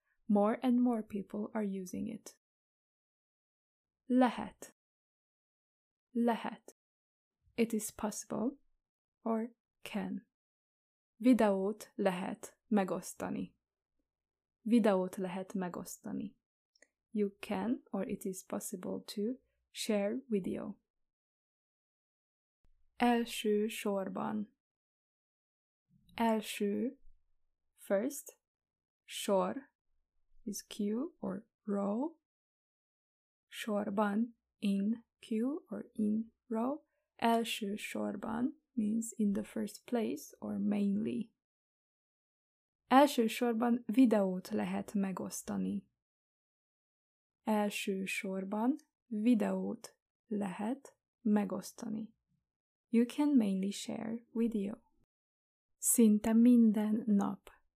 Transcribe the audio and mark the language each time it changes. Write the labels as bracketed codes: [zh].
[en] More and more people are using it. [hu] Lehet. Lehet. [en] It is possible or can. [hu] Videót lehet megosztani. Videót lehet megosztani. [en] You can or it is possible to share video. [hu] Első sorban. Első, [en] first, sor is queue or row. Sorban, in queue or in row. Első sorban means in the first place or mainly. [hu] Első sorban videót lehet megosztani. Első sorban videót lehet megosztani. [en] You can mainly share video. [hu] Szinte minden nap.